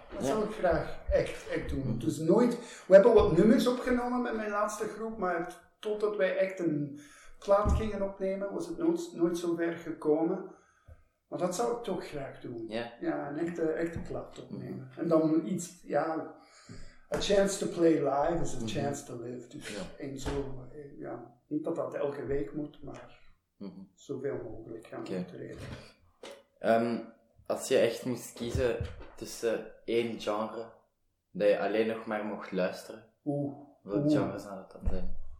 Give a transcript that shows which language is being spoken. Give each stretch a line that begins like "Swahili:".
Dutch: Dat zou ik graag echt doen. Dus nooit... We hebben wat nummers opgenomen met mijn laatste groep, maar totdat wij echt een plaat gingen opnemen, was het nooit zo ver gekomen. Maar dat zou ik toch graag doen. Ja. Ja, een echte plaat opnemen. En dan iets, ja...
English: A chance to play live is a chance to live.
Dutch: Dus in zo... Ja, niet dat dat elke week moet, maar zoveel mogelijk gaan optreden. Als je echt moest kiezen tussen één genre dat je alleen nog maar mocht luisteren, welk genre zou dat dan zijn?